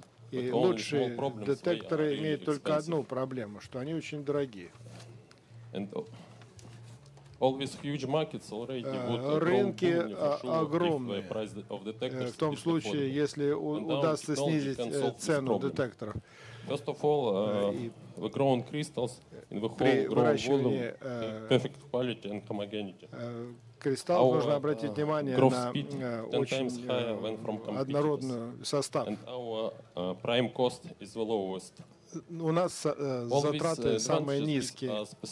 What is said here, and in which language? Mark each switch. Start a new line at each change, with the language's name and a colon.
Russian: И лучшие детекторы имеют только одну проблему, что они очень дорогие. Рынки огромные в том случае, если удастся снизить цену детекторов.
English: First of all, we grow on crystals in the whole growing volume, perfect quality and homogeneity.
Russian: Кристалл, нужно обратить внимание на очень однородную состав.
English: And our prime cost is the lowest.
Russian: У нас затраты самые низкие.